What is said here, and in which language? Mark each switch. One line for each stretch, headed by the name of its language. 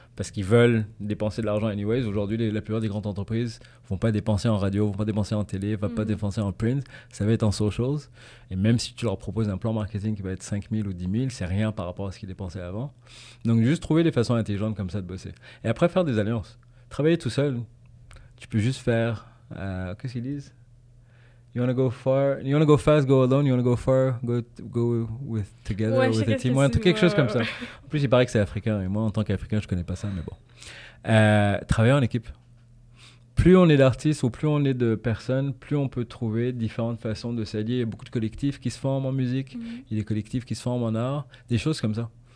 French: Parce qu'ils veulent dépenser de l'argent anyways. Aujourd'hui, la plupart des grandes entreprises ne vont pas dépenser en radio, ne vont pas dépenser en télé, ne vont pas dépenser en print. Ça va être en socials. Et même si tu leur proposes un plan marketing qui va être 5 000 ou 10 000, c'est rien par rapport à ce qu'ils dépensaient avant. Donc, juste trouver des façons intelligentes comme ça de bosser. Et après, faire des alliances. Travailler tout seul, tu peux juste faire... qu'est-ce qu'ils disent?
English: You want to go far, you want to go fast, go alone, you want to go far, go with together,
French: ouais,
English: with a team,
French: ouais, quelque chose comme ça. En plus, il paraît que c'est africain, et moi, en tant qu'Africain, je ne connais pas ça, mais bon. Travailler en équipe. Plus on est d'artistes ou plus on est de personnes, plus on peut trouver différentes façons de s'allier. Il y a beaucoup de collectifs qui se forment en musique, il y a des collectifs qui se forment en art, des choses comme ça.